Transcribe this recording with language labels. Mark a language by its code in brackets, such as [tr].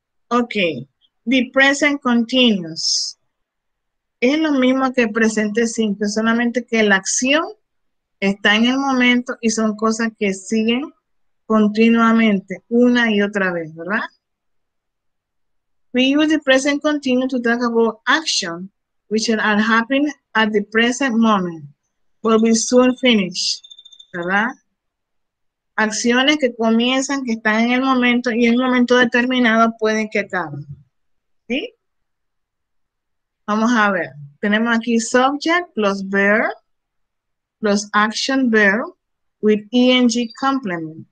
[en] Ok. The present continuous. [es] Es lo mismo que presente simple, solamente que la acción está en el momento y son cosas que siguen continuamente, una y otra vez, ¿verdad? [en] We use the present continuous to talk about action, which are happening at the present moment, but we soon finish, ¿verdad? [es] Acciones que comienzan, que están en el momento y en un momento determinado pueden que acaben. ¿Sí? Vamos a ver, tenemos aquí [en] subject plus verb plus action verb with ing complement.